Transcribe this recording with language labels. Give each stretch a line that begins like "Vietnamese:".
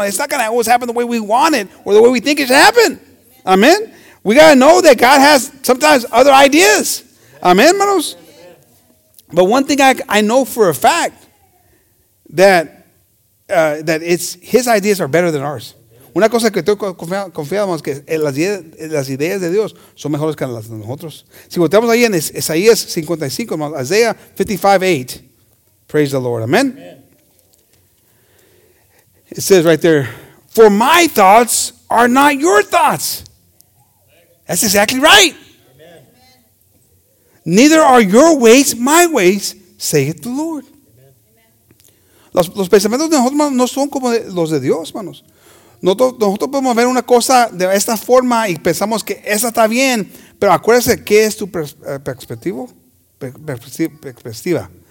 English: It's not going to always happen the way we want it or the way we think it should happen. Amen. We got to know that God has sometimes other ideas. Amen, hermanos. But one thing I know for a fact that it's his ideas are better than ours.
Spanish: Una cosa que estoy confiado, hermanos, que las ideas de Dios son mejores que las de nosotros. Si volteamos ahí en Isaías 55, hermanos,
English: Isaiah 55:8. Praise the Lord. Amen. It says right there, for my thoughts are not your thoughts. That's exactly right. Neither are your ways my ways, saith the Lord.
Spanish: Los pensamientos de nosotros no son como los de Dios, hermanos. Nosotros podemos ver una cosa de esta forma y pensamos que esa está bien, pero acuérdense, ¿qué es tu perspectiva?